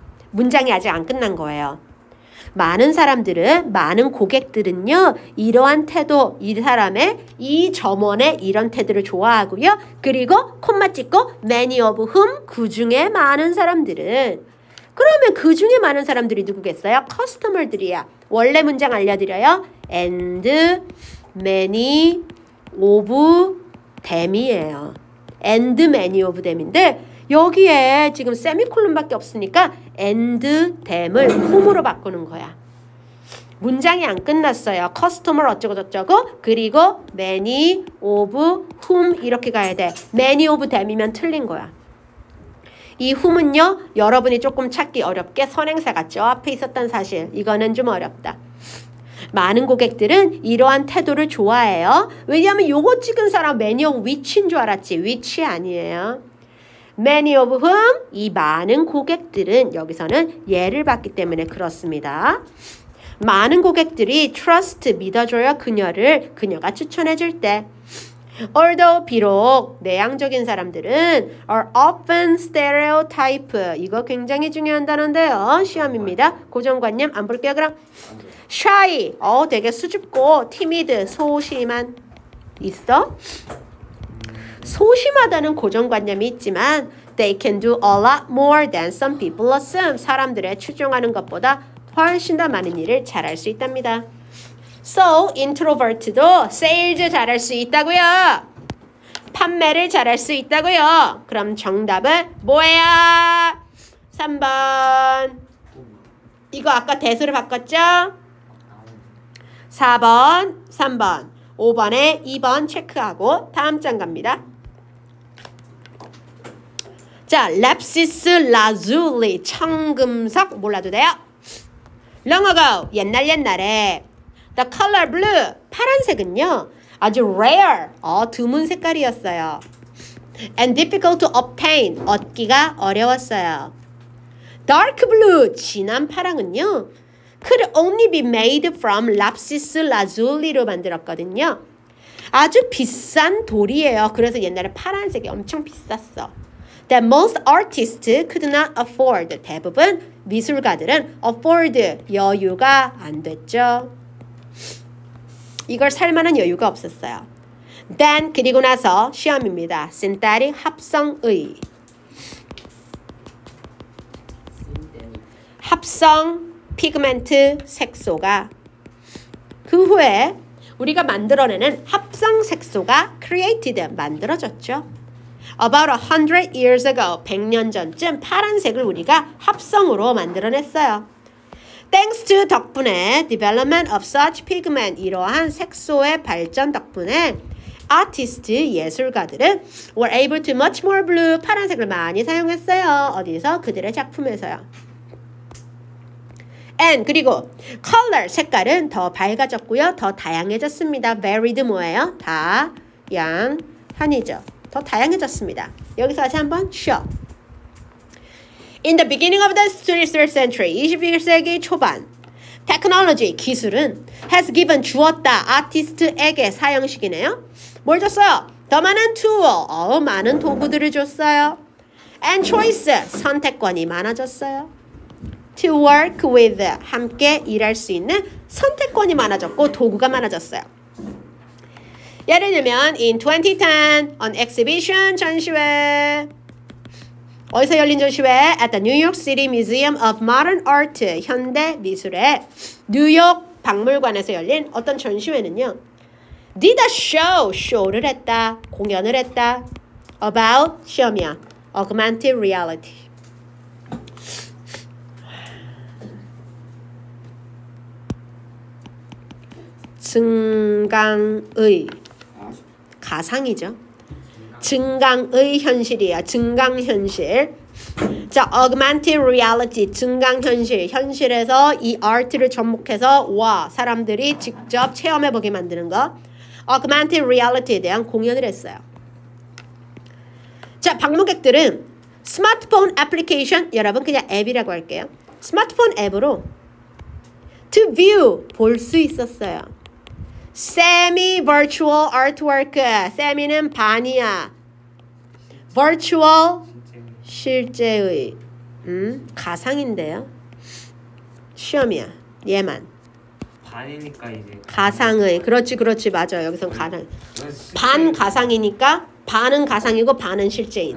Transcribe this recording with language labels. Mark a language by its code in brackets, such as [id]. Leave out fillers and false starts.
[ko] 문장이 아직 안 끝난 거예요. 많은 사람들은, 많은 고객들은요, 이러한 태도, 이 사람의, 이 점원의 이런 태도를 좋아하고요. 그리고 콤마 찍고 [en] many of whom, [ko] 그 중에 많은 사람들은. 그러면 그 중에 많은 사람들이 누구겠어요? 커스터머들이야. 원래 문장 알려드려요. [en] and many of them [ko] 이에요. [en] and many of them [ko] 인데 여기에 지금 세미콜론밖에 없으니까 [en] and them을 whom으로 [ko] 바꾸는 거야. 문장이 안 끝났어요. 커스터머 어쩌고 저쩌고 그리고 [en] many of whom [ko] 이렇게 가야 돼. [en] many of them이면 [ko] 틀린 거야. 이 whom은요, 여러분이 조금 찾기 어렵게 선행사가 저 앞에 있었던 사실. 이거는 좀 어렵다. 많은 고객들은 이러한 태도를 좋아해요. 왜냐하면 요거 찍은 사람 [en] many of which인 [ko] 줄 알았지. which 아니에요. [en] Many of whom, [ko] 이 많은 고객들은, 여기서는 예를 받기 때문에 그렇습니다. 많은 고객들이 trust, 믿어줘요, 그녀를, 그녀가 추천해줄 때. [en] Although, [ko] 비록 내향적인 사람들은 [en] are often stereotype. [ko] 이거 굉장히 중요한 단어인데요. 시험입니다. 고정관념 안 볼게요, 그럼. Shy, 되게 수줍고 timid, 소심한. 있어? 소심하다는 고정관념이 있지만 [en] they can do a lot more than some people assume. [ko] 사람들의 추종하는 것보다 훨씬 더 많은 일을 잘할 수 있답니다. So introvert도 sales 잘할 수 있다고요. 판매를 잘할 수 있다고요. 그럼 정답은 뭐예요? 3번. 이거 아까 대수를 바꿨죠? 4번, 3번, 5번에 2번 체크하고 다음 장 갑니다. 자, 랩시스 라줄리, 청금석, 몰라도 돼요. [en] Long ago, [ko] 옛날 옛날에, [en] the color blue, [ko] 파란색은요, 아주 rare, 드문 색깔이었어요. [en] And difficult to obtain, [ko] 얻기가 어려웠어요. [en] Dark blue, [ko] 진한 파랑은요, [en] could only be made from [ko] 랩시스 라줄리로 만들었거든요. 아주 비싼 돌이에요. 그래서 옛날에 파란색이 엄청 비쌌어. [en] That most artists could not afford. [ko] 대부분 미술가들은 afford 여유가 안 됐죠. 이걸 살 만한 여유가 없었어요. Then 그리고 나서 시험입니다. Synthetic 합성의. 합성 피그먼트 색소가 그 후에 우리가 만들어내는 합성 색소가 created 만들어졌죠. [en] About 100 years ago, [ko] 100년 전쯤 파란색을 우리가 합성으로 만들어냈어요. [en] Thanks to [ko] 덕분에 [en] development of such pigment [ko] 이러한 색소의 발전 덕분에 아티스트 예술가들은 [en] were able to much more blue [ko] 파란색을 많이 사용했어요. 어디서? 그들의 작품에서요. [en] And [ko] 그리고 color 색깔은 더 밝아졌고요. 더 다양해졌습니다. Varied 뭐예요? 다양한이죠. 더 다양해졌습니다. 여기서 다시 한번 쉬어. [en] In the beginning of the 23rd century, [ko] 21세기 초반, [en] technology, [ko] 기술은 [en] has given, [ko] 주었다, 아티스트에게 사용식이네요. 뭘 줬어요? 더 많은 tool, 많은 도구들을 줬어요. [en] And choice, [ko] 선택권이 많아졌어요. [en] To work with, [ko] 함께 일할 수 있는 선택권이 많아졌고 도구가 많아졌어요. [en] 예를 들면 in 2010, an exhibition, [ko] 전시회. 어디서 열린 전시회? [en] At the New York City Museum of Modern Art, [ko] 현대 미술의 뉴욕 박물관에서 열린 어떤 전시회는요. [en] Did a show, [ko] 쇼를 했다, 공연을 했다. [en] About, [ko] 시험이야. [en] Augmented reality. [ko] 증강의, 가상이죠. 증강의 현실이야. 증강현실. 자, augmented reality, 증강현실. 현실에서 이 아트를 접목해서 와, 사람들이 직접 체험해보게 만드는 거. augmented reality에 대한 공연을 했어요. 자, 방문객들은 스마트폰 애플리케이션, 여러분 그냥 앱이라고 할게요. 스마트폰 앱으로 [en] to view, [ko] 볼 수 있었어요. [en] semi virtual artwork, [ko] semi는 반이야. virtual 실제의, 가상인데요. 시험이야. 얘만 반이니까 이제 가상의. 그렇지 그렇지 맞아. 여기선 가상 반 가상이니까 반은 가상이고 반은 실제인.